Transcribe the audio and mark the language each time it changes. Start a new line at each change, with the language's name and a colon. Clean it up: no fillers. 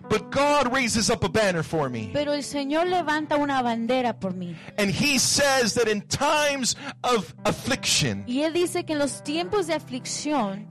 English: But God raises up a banner for me.
Spanish: Pero el Señor levanta una bandera por mí.
English: And He says that in times of affliction.
Spanish: Y Él dice que en los tiempos de aflicción.